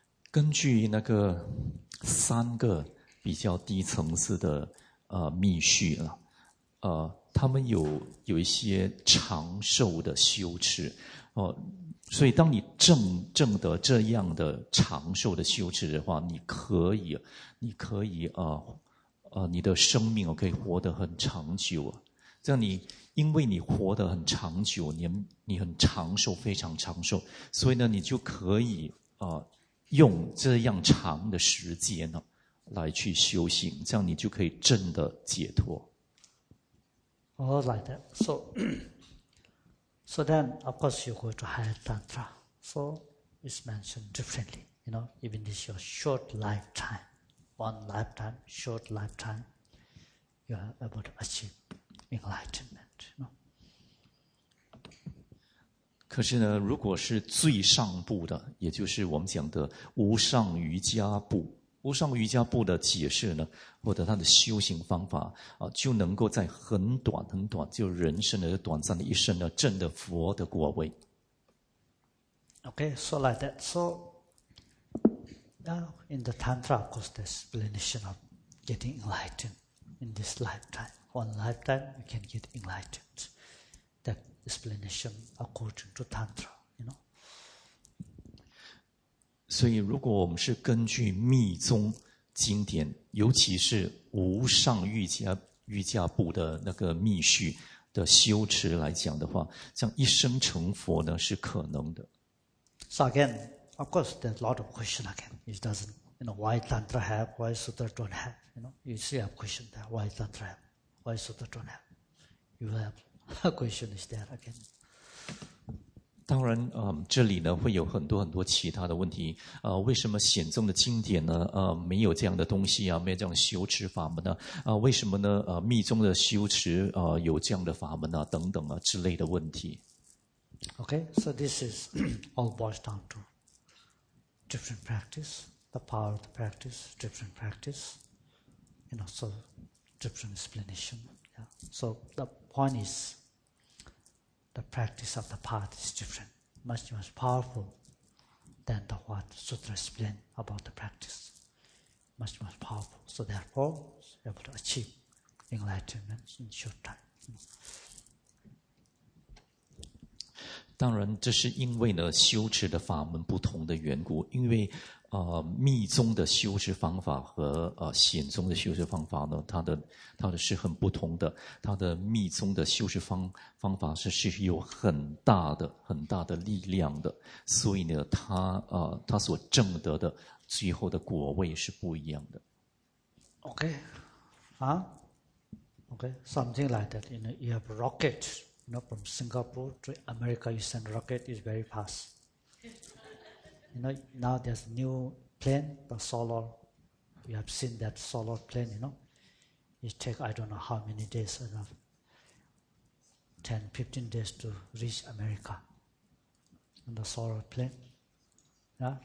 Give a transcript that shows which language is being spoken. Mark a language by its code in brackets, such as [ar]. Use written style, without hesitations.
[zh] 根据那个三个比较低层次的密序了，他们有一些长寿的修持，所以当你证得这样的长寿的修持的话，你可以你的生命可以活得很长久啊。这样因为你活得很长久，你很长寿，非常长寿，所以呢，你就可以用这样长的时间呢来去修行，这样你就可以真的解脱。 [en] All like that. So then, of course, you go to higher tantra. So it's mentioned differently. You know, even this your short lifetime, one lifetime, short lifetime, you are able to achieve enlightenment. You know. [zh] 可是呢，如果是最上部的，也就是我们讲的无上瑜伽部。无上瑜伽部的解释呢，或者他的修行方法啊，就能够在很短很短，就人生的短暂的一生呢，证得佛的果位。 [en] Okay, so like that. So now in the tantra, of course, the explanation of getting enlightened in this lifetime, one lifetime you can get enlightened. That explanation according to tantra. [zh] 所以如果我们是根据密宗经典，尤其是无上瑜伽部的那个密序的修持来讲的话，像一生成佛呢是可能的。 [en] So again, of course, there's a lot of question again. It doesn't, you know, why Tantra have, why Sutra don't have, you know, you still have question there, why Tantra have, why Sutra don't have. You have a question is there again. [zh] 当然，这里呢会有很多很多其他的问题。为什么显宗的经典呢？没有这样的东西啊，没有这样的修持法门呢？为什么呢？密宗的修持有这样的法门啊，等等啊之类的问题。 [en] Okay, so this is all boils down to different practice, the power of the practice, different practice, and also different explanation. Yeah. So the point is. The practice of the path is different, much, much powerful than the what Sutra explained about the practice. Much, much powerful. So therefore, it's able to achieve enlightenment in short time. [zh] 当然，这是因为呢修持的法门不同的缘故，因为密宗的修持方法和显宗的修持方法呢，它的是很不同的。它的密宗的修持方法是有很大的力量的，所以呢，它所证得的最后的果位是不一样的。 [en] Okay, something like that. You know, you have rocket, You know, from Singapore to America, you send rocket, it's very fast. You know, now there's a new plane, the solar. We have seen that solar plane, you know. It takes, I don't know how many days, you know, 10, 15 days to reach America. And the solar plane. Yeah?